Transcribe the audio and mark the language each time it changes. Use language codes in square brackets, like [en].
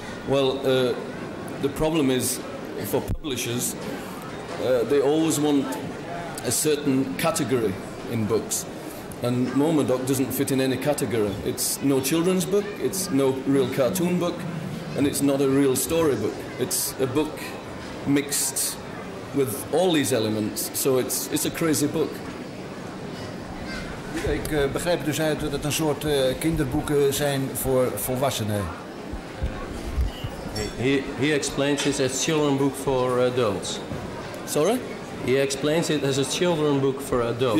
[en] Well, the problem is, for publishers, they always want a certain category in books. And Momodog doesn't fit in any category. It's no children's book, it's no real cartoon book, and it's not a real storybook. It's a book mixed with all these elements, so it's a crazy book. [nl] Ik begrijp dus uit dat het een soort kinderboeken zijn voor volwassenen. [en] He explains it as a children's book for adults. Sorry? He explains it as a children's book for adults.